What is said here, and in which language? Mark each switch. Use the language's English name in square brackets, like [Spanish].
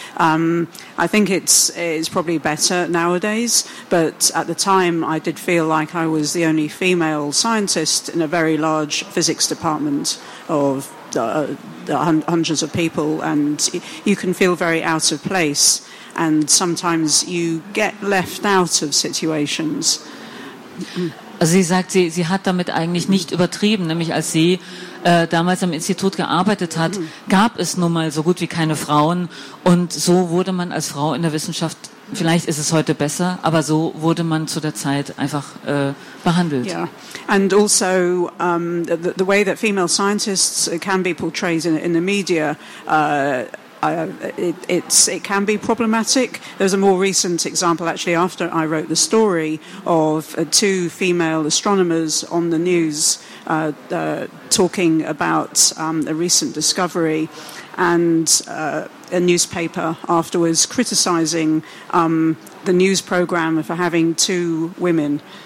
[English] I think it's probably better nowadays, but at the time I did feel like I was the only female scientist in a very large physics department of the hundreds of people, and you can feel very out of place, and sometimes you get left out of situations. [German] Also sie sagt, sie hat damit eigentlich nicht übertrieben, nämlich als sie damals am Institut gearbeitet hat, gab es nun mal so gut wie keine Frauen, und so wurde man als Frau in der Wissenschaft, vielleicht ist es heute besser, aber so wurde man zu der Zeit einfach behandelt. [English] Yeah. And also the way that female scientists can be portrayed in the media, it can be problematic. There's a more recent example, actually, after I wrote the story, of 2 female astronomers on the news talking about a recent discovery, and a newspaper afterwards criticizing the news program for having 2 women.